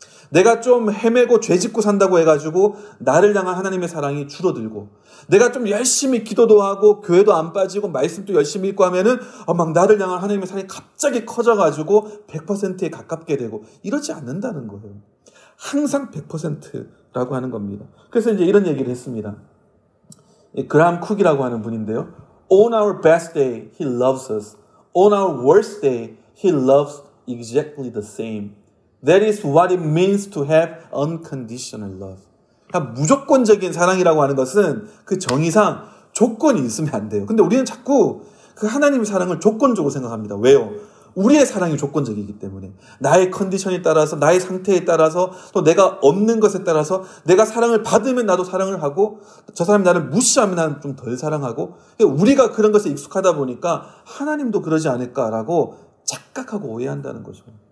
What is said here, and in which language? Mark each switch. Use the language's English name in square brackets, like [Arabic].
[Korean] 내가 좀 헤매고 죄짓고 산다고 해가지고 나를 향한 하나님의 사랑이 줄어들고 내가 좀 열심히 기도도 하고 교회도 안 빠지고 말씀도 열심히 읽고 하면은 막 나를 향한 하나님의 사랑이 갑자기 커져가지고 100%에 가깝게 되고 이러지 않는다는 거예요. 항상 100%라고 하는 겁니다. 그래서 이제 이런 얘기를 했습니다. 그라함 쿡이라고 하는 분인데요. [English] On our best day, he loves us. On our worst day, he loves exactly the same. That is what it means to have unconditional love. [Korean] 무조건적인 사랑이라고 하는 것은 그 정의상 조건이 있으면 안 돼요. 근데 우리는 자꾸 그 하나님의 사랑을 조건적으로 생각합니다. 왜요? 우리의 사랑이 조건적이기 때문에 나의 컨디션에 따라서 나의 상태에 따라서 또 내가 없는 것에 따라서 내가 사랑을 받으면 나도 사랑을 하고 저 사람이 나를 무시하면 나는 좀 덜 사랑하고 우리가 그런 것에 익숙하다 보니까 하나님도 그러지 않을까라고 착각하고 오해한다는 거죠.